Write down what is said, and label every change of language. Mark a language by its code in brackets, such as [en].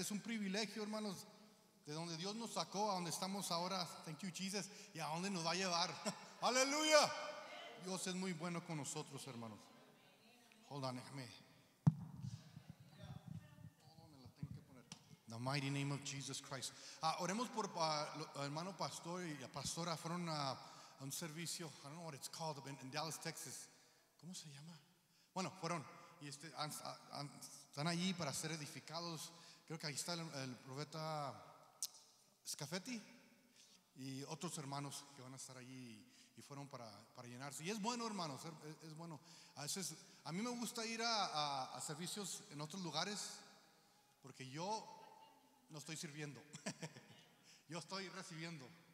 [es] Es un privilegio, hermanos, de donde Dios nos sacó, a donde estamos ahora. [en] Thank you, Jesus. [es] Y a dónde nos va a llevar. ¡Aleluya! Dios es muy bueno con nosotros, hermanos. [en] Hold on, [es] déjame. [en] The mighty name of Jesus Christ. [es] Oremos por hermano pastor y pastora. Fueron a un servicio, [en] I don't know what it's called, in Dallas, Texas. [es] ¿Cómo se llama? Bueno, fueron y están allí para ser edificados. Creo que ahí está el profeta Scafetti y otros hermanos que van a estar allí y fueron para llenarse. Y es bueno, hermanos, es bueno. A veces, a mí me gusta ir a servicios en otros lugares porque yo no estoy sirviendo, yo estoy recibiendo.